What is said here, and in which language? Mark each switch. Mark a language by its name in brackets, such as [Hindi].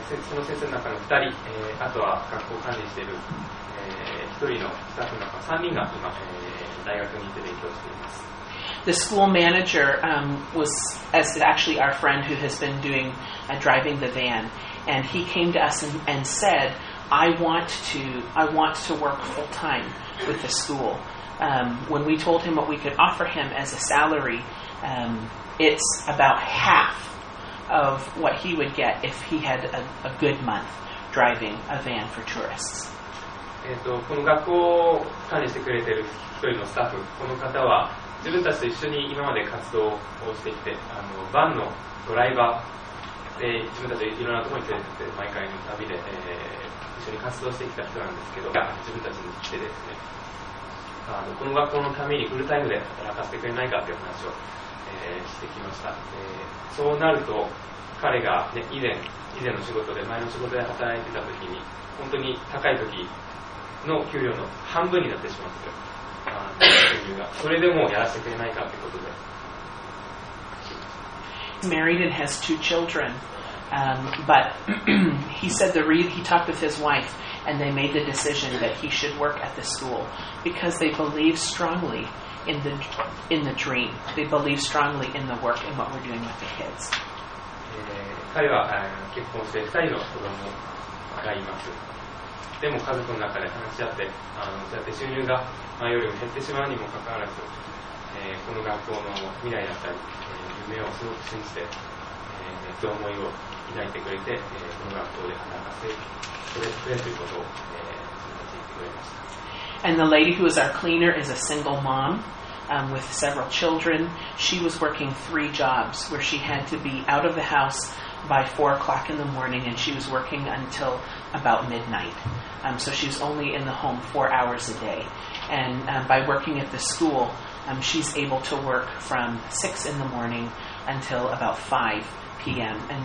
[Japanese] その先生の中の2人、あとは学校を管理している、1人のスタッフの中の3人が今、大学に行って勉強しています。 [English] The school manager was actually our friend who has been doing driving the van, and he came to us and said, "I want to work full time with the school." When we told him what we could offer him as a salary, it's about half of what he would get if he had a good month driving a van for tourists. [Japanese] この学校を管理してくれている一人のスタッフ、この方は。自分たちと一緒に今まで活動をしてきて、バンのドライバーで、自分たちいろんなところに連れてって、毎回の旅で、一緒に活動してきた人なんですけど、自分たちに来てですね、この学校のためにフルタイムで働かせてくれないかという話を、してきました。そうなると、彼が、ね、以前の仕事で、前の仕事で働いてたときに、本当に高いときの給料の半分になってしまって、それでもやらせてくれないかということで。 [English] He's married and has two children. But he said the he talked with his wife, and they made the decision that he should work at the school because they believe strongly in the dream. They believe strongly in the work and what we're doing with the kids. [Japanese] 彼は結婚して2人の子供がいます。でも家族の中で話し合って、そうやって収入が前よりも減ってしまうにもかかわらず、この学校の未来だったり、夢をすごく信じて、その思いを抱いてくれて、この学校で働かせてくれということを、伝えてくれました。 [English] And the lady who is our cleaner is a single mom. With several children. She was working three jobs where she had to be out of the house by 4 o'clock in the morning and she was working until about midnight. So she was only in the home 4 hours a day. And by working at the school, she's able to work from 6 in the morning until about 5 p.m.